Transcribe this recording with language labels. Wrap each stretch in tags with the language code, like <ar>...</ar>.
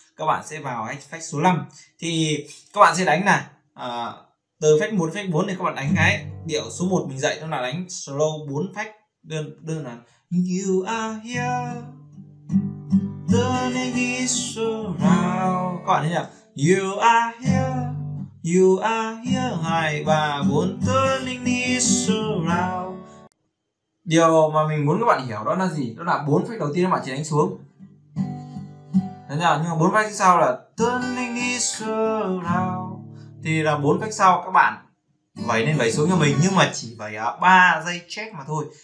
<vi>Các bạn sẽ vào phách số 5. Thì các bạn sẽ đánh là từ phách 1 phách 4 thì các bạn đánh cái điệu số 1 mình dạy, đó là đánh slow 4 phách đơn là</vi> <en>you are here, turning me around.</en> <vi>Các bạn thấy nhỉ?</vi> <en>You are here, you are here, 2, 3, 4, turning this around.</en> <vi>Điều mà mình muốn các bạn hiểu đó là gì? Đó là 4 phách đầu tiên các bạn chỉ đánh xuống. Thế nào? Nhưng mà 4 phách sau là</vi> <en>turning this around.</en> <vi>Thì là 4 phách sau các bạn vẩy lên vẩy xuống cho mình, nhưng mà chỉ vẩy 3 giây check mà thôi.</vi>